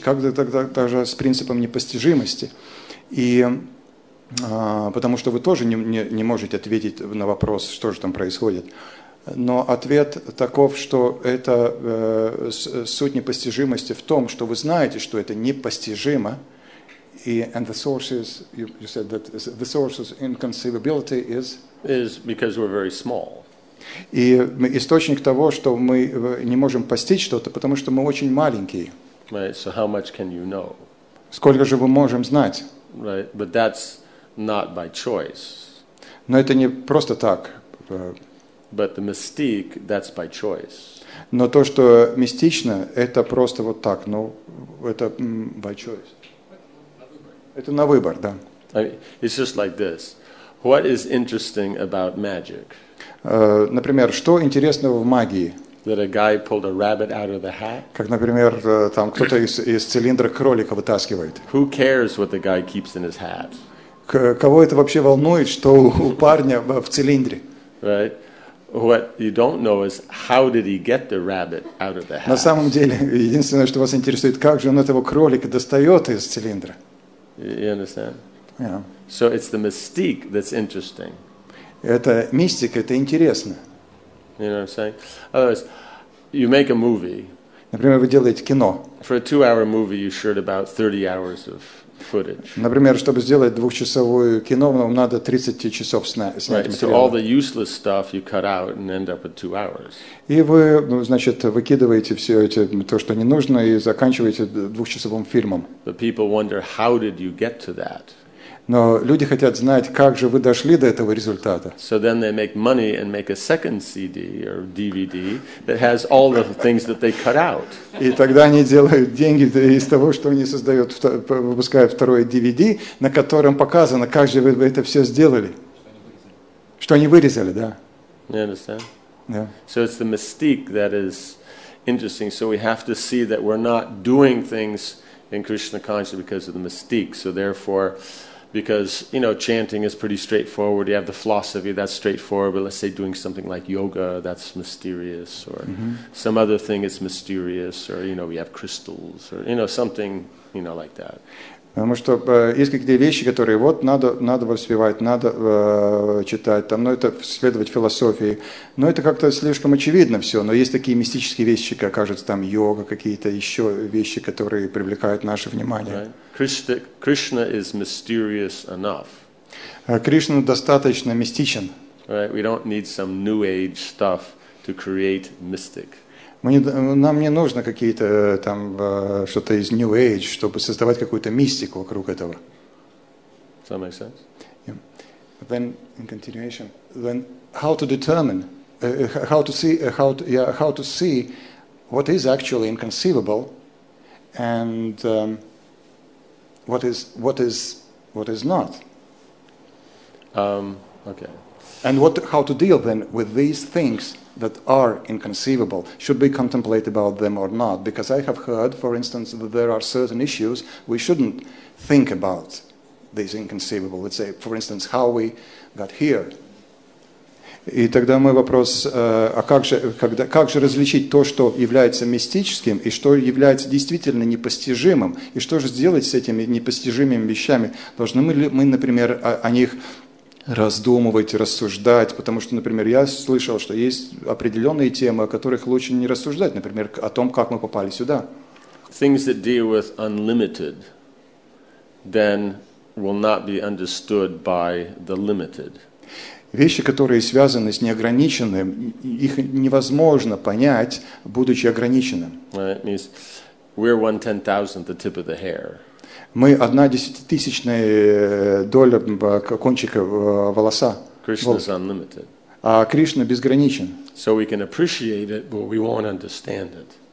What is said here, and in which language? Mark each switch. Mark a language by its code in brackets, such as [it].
[ru] Как тогда даже с принципом непостижимости? Потому что вы тоже не можете ответить на вопрос, что же там происходит. Но ответ таков, что это суть непостижимости в том, что вы знаете, что это непостижимо. [en] And the sources, you said that the source's inconceivability is? Is because we're very small. [ru] И источник того, что мы не можем постичь что-то, потому что мы очень маленькие. [en] Right, so how much can you know? [ru] Сколько же мы можем знать? [en] Right, but that's not by choice. [ru] Но это не просто так. [en] But the mystique, that's by choice. [ru] Но то, что мистично, это просто вот так. Ну, это [en] by choice. [ru] Это на выбор, да. [en] I mean, it's just like this. What is interesting about magic? [ru] Например, что интересного в магии? [en] That a guy pulled a rabbit out of the hat? [ru] Как, например, там кто-то из цилиндра кролика вытаскивает. [en] Who cares what the guy keeps in his hat? [ru] Кого это вообще волнует, что у парня в цилиндре? [en] Right. What you don't know is how did he get the rabbit out of the hat? [ru] На самом деле, единственное, что вас интересует, как же он этого кролика достает из цилиндра? [en] You understand? Yeah. So it's the mystique that's interesting. [ru] Это мистика, это интересно. [en] You know what I'm saying? Otherwise, you make a movie. [ru] Например, вы делаете кино. [en] For a two-hour movie, you shoot about 30 hours of footage. [ru] Например, чтобы сделать двухчасовую кино, вам надо 30 часов снять материал. [en] So all the useless stuff you cut out and end up with 2 hours. [ru] И вы, значит, выкидываете все это, то, что не нужно, и заканчиваете двухчасовым фильмом. [en] But people wonder, how did you get to that? [ru] Но люди хотят знать, как же вы дошли до этого результата. [en] So then they make money and make a second CD or DVD that has all the things that they cut out. [ru] И тогда они делают деньги из того, что они создают, выпускают второе DVD, на котором показано, как же вы это все сделали. Что они вырезали, да. [en] You understand? Yeah. So it's the mystique that is interesting. So we have to see that we're not doing things in Krishna consciousness because of the mystique. So therefore, because, you know, chanting is pretty straightforward. You have the philosophy, that's straightforward. But let's say doing something like yoga, that's mysterious. Or some other thing is mysterious. Or, you know, we have crystals. Or, you know, something, you know, like that. [ru] Потому что есть какие-то вещи, которые вот надо воспевать, надо читать, там, ну, это следовать философии. Но это как-то слишком очевидно все. Но есть такие мистические вещи, как кажется, там йога, какие-то еще вещи, которые привлекают наше внимание. [en] Right. Krishna is mysterious enough. [ru] Кришна достаточно мистичен. [en] Right. We don't need some new age stuff to create mystic. [ru] Нам не нужно какие-то там что-то из New Age, чтобы создавать какую-то мистику вокруг этого. [en] Does that make sense? Yeah. Then in continuation, then how to determine, how to see what is actually inconceivable, and what is not. Okay. And what, how to deal then with these things that are inconceivable? Should we contemplate about them or not? Because I have heard, for instance, that there are certain issues we shouldn't think about these inconceivable. Let's say, for instance, how we got here. [ru] И тогда мой вопрос, а как же различить то, что является мистическим, и что является действительно непостижимым? И что же сделать с этими непостижимыми вещами? Должны мы, например, о них раздумывать, рассуждать, потому что, например, я слышал, что есть определенные темы, о которых лучше не рассуждать, например, о том, как мы попали сюда. [en] Things that deal with unlimited then will not be understood by the limited. [ru] Вещи, которые связаны с неограниченным, их невозможно понять, будучи ограниченным. [en] Right. It means we're 1/10,000th the tip of the hair. [ru] Мы 1/10,000 доля кончика волоса. [en] Krishna's unlimited. [ru] А Кришна безграничен. [en] So we can appreciate it, but we won't understand it.